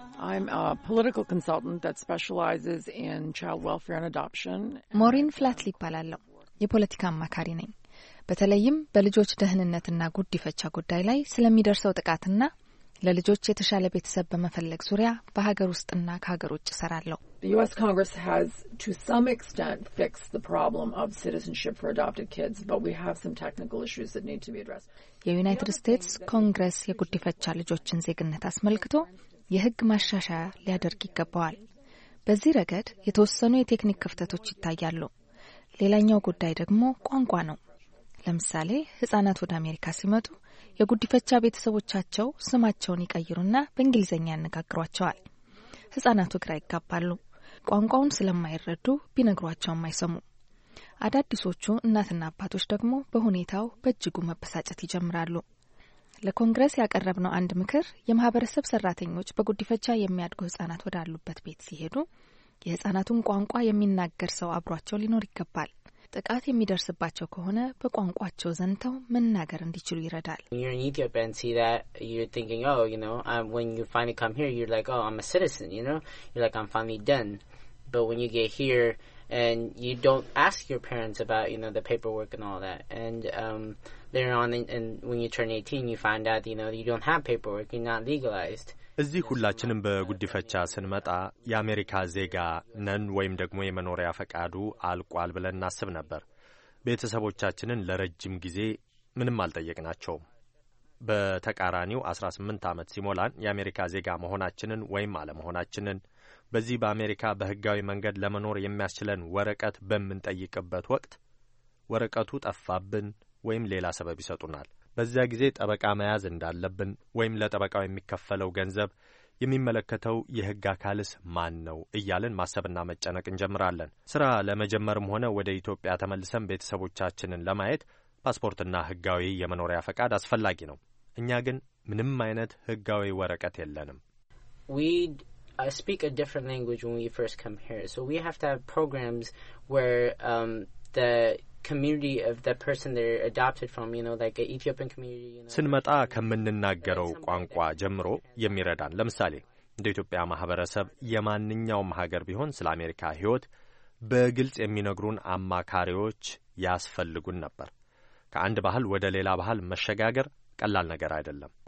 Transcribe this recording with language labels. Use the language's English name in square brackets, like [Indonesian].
[English] I'm a political consultant that specializes in child welfare and adoption. [Amharic] Maureen Flatley ይባላለሁ። የፖለቲካ አማካሪ ነኝ። በተለይም በልጆች ደህንነትና ጉዲፈቻ ጉዳይ ላይ ስለሚደርሰው ጥቃትና ለልጆች የተሻለ ቤተሰብ በመፈለግ ዙሪያ በሀገር ውስጥና ከሀገር ውጭ ሰራለሁ። [English] The US Congress has to some extent fixed the problem of citizenship for adopted kids, but we have some technical issues that need to be addressed. [Amharic] የዩናይትድ ስቴትስ ኮንግረስ የጉዲፈቻ ልጆችን ዜግነት አስመልክቶ የህግ ማሻሻያ ሊያደርግ ይገባዋል። በዚህ ረገድ የተወሰኑ የቴክኒክ ክፍተቶች ይታያሉ። ሌላኛው ጉዳይ ደግሞ ቋንቋ ነው። ለምሳሌ ህጻናት ወደ አሜሪካ ሲመጡ የጉዲፈቻ ቤተሰቦቻቸው ስማቸውን ይቀይሩና በእንግሊዘኛ ያነጋግሯቸዋል። ህጻናቱ ግራ ይጋባሉ። ቋንቋውን ስለማይረዱ ቢነግሯቸውም አይሰሙ። አዳዲሶቹ እናትና አባቶች ደግሞ በሁኔታው በእጅጉ መበሳጨት ይጀምራሉ። ለኮንግረስ ያቀረብነው አንድ ምክር የማህበረሰብ ሰራተኞች በጉዲፈቻ የሚያድጉ ህጻናት ወዳሉበት ቤት ሲሄዱ የህጻናቱን ቋንቋ የሚናገር ሰው አብሯቸው ሊኖር ይገባል። ጥቃት የሚደርስባቸው ከሆነ በቋንቋቸው ዘንተው መናገር እንዲችሉ ይረዳል። [English] When you're in Ethiopia and see that, you're thinking, oh, you know, when you finally come here, you're like, oh, I'm a citizen, you know? You're like, I'm finally done. But when you get here and you don't ask your parents about, you know, the paperwork and all that, and later on, and when you turn 18, you find out, you know, you don't have paperwork, you're not legalized. [Amharic] እዚህ ሁላችንም በጉዲፈቻ ስንመጣ የአሜሪካ ዜጋ ነን ወይም ደግሞ የመኖሪያ ፈቃዱ አልቋል ብለን እናስብ ነበር። ቤተሰቦቻችንን ለረጅም ጊዜ ምንም አልጠየቅናቸውም። በተቃራኒው 18 ዓመት ሲሞላን የአሜሪካ ዜጋ መሆናችንን ወይም አለመሆናችንን በዚህ በአሜሪካ በህጋዊ መንገድ ለመኖር የሚያስችለን ወረቀት በምንጠይቅበት ወቅት ወረቀቱ ጠፋብን ወይም ሌላ ሰበብ ይሰጡናል። በዚያ ጊዜ ጠበቃ መያዝ እንዳለብን ወይም ለጠበቃው የሚከፈለው ገንዘብ የሚመለከተው የህግ አካልስ ማን ነው እያልን ማሰብና መጨነቅ እንጀምራለን። ስራ ለመጀመርም ሆነ ወደ ኢትዮጵያ ተመልሰን ቤተሰቦቻችንን ለማየት ፓስፖርትና ህጋዊ የመኖሪያ ፈቃድ አስፈልጊ ነው። እኛ ግን ምንም አይነት ህጋዊ ወረቀት የለንም። [English] I speak a different language when we first come here. So we have to have programs where the community of the person they're adopted from, you know, like an Ethiopian community, you know. [Amharic] ስንመጣ ከምንናገረው ቋንቋ ጀምሮ የሚረዳን። ለምሳሌ እንደ ኢትዮጵያ ማህበረሰብ የማንኛውም ሀገር ቢሆን ስለ አሜሪካ ህይወት በግልጽ የሚነግሩን አማካሪዎች ያስፈልጉን ነበር። ከአንድ ባህል ወደ ሌላ ባህል መሸጋገር ቀላል ነገር አይደለም።